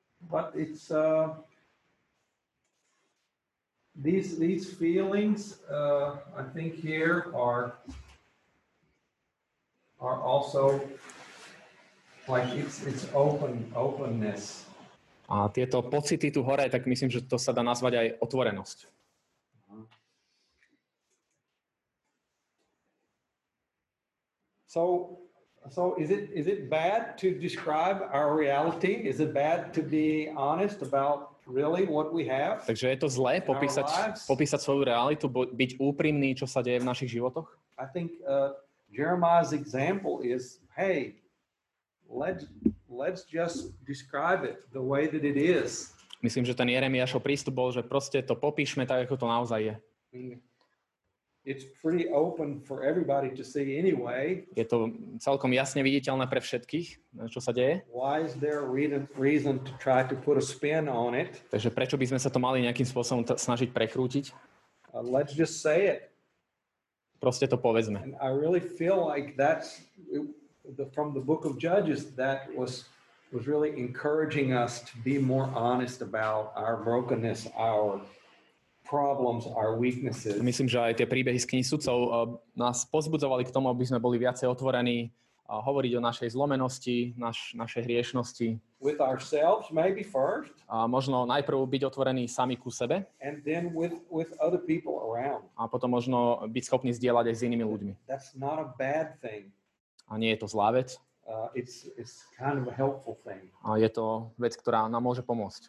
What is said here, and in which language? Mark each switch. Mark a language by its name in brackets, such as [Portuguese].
[English] But it's these feelings I think here are also like it's openness. [Slovak] A tieto pocity tu hore, tak myslím, že to sa dá nazvať aj otvorenosť. [English] So is it bad to describe our reality? Is it bad to be honest about really what we have? [Slovak] Takže je to zlé popísať svoju realitu, byť úprimný, čo sa deje v našich životoch? [English] I think Jeremiah's example is, hey, let's just describe it the way that it is. [Slovak] Myslím, že ten Jeremiášov prístup bol, že proste to popíšme tak, ako to naozaj je. [English] It's pretty open for everybody to see anyway. [Slovak] Je to celkom jasne viditeľné pre všetkých, čo sa deje. [English] Why is there a reason to try to put a spin on it? [Slovak] Takže prečo by sme sa to mali nejakým spôsobom snažiť prekrútiť? [English] Let's just say it. [Slovak] Proste to povedzme. [English] And I really feel like that's from the book of Judges that was really encouraging us to be more honest about our brokenness, our problems, our weaknesses. [Slovak] Myslím, že aj tie príbehy z knihy sudcov nás pozbudzovali k tomu, aby sme boli viacej otvorení hovoriť o našej zlomenosti, našej hriešnosti. [English] With ourselves maybe first. [Slovak] A možno najprv byť otvorení sami ku sebe. [English] And then with other people around. [Slovak] A potom možno byť schopní zdieľať aj s inými ľuďmi. [English] That's not a bad thing. [Slovak] A nie je to zlá vec. [English] It's kind of a helpful thing. [Slovak] A je to vec, ktorá nám môže pomôcť.